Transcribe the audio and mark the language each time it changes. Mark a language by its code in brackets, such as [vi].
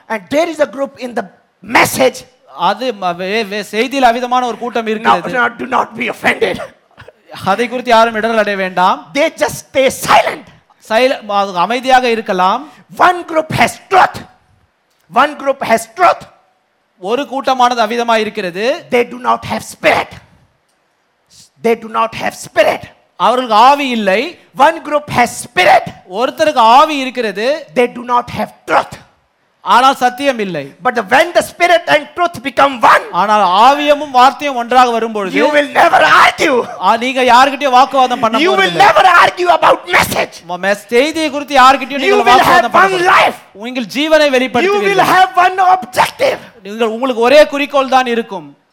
[en] And there is a group in the message. [ta] அது செய்தியில் அவிதமான ஒரு கூட்டம் இருக்கிறது. [en] Now, do not be offended. [ta] அதை குறித்து யாரும் இடர்கள் அடைய வேண்டாம். [en] They just stay silent. [ta] அமைதியாக இருக்கலாம். [en] One group has truth. One group has truth. [ta] ஒரு கூட்டமானது அவிதமாக இருக்கிறது. [en] They do not have spirit. They do not have spirit. [ta] அவர்களுக்கு ஆவி இல்லை. [en] One group has spirit. [ta] ஒருத்தருக்கு ஆவி இருக்கிறது. [en] They do not have truth. [ta] ஆனால் சத்தியம் இல்லை. [en] But when the spirit and truth become one, [ta] ஆனால் ஆவியும் வார்த்தையும் ஒன்றாக வரும்பொழுது, [en] you will never argue. [ta] நீங்க யார்கிட்டயும் வாக்குவாதம் பண்ண முடியாது. [en] You will never argue about message. [ta] செய்தியை குறித்து யார்கிட்டயும் நீங்க வாக்குவாதம் பண்ண முடியாது. உங்கள் ஜீவனை வெளிப்படுத்துவீர்கள். [en] You will have one objective. [ta] நீங்கள் உங்களுக்கு ஒரே குறிக்கோள் தான் இருக்கும்.